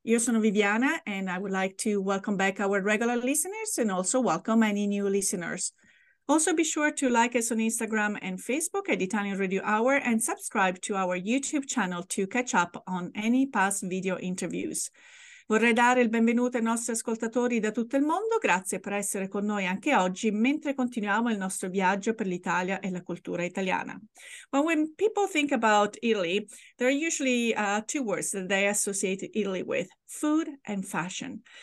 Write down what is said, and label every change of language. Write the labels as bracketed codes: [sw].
[it] Io sono [en] Viviana and I would like to welcome back our regular listeners and also welcome any new listeners. Also be sure to like us on Instagram and Facebook at Italian Radio Hour and subscribe to our YouTube channel to catch up on any past video interviews. [it] Vorrei dare il benvenuto ai nostri ascoltatori da tutto il mondo, grazie per essere con noi anche oggi mentre continuiamo il nostro viaggio per l'Italia e la cultura italiana. [en] But when people think about Italy, there are usually two words that they associate Italy with, food and fashion.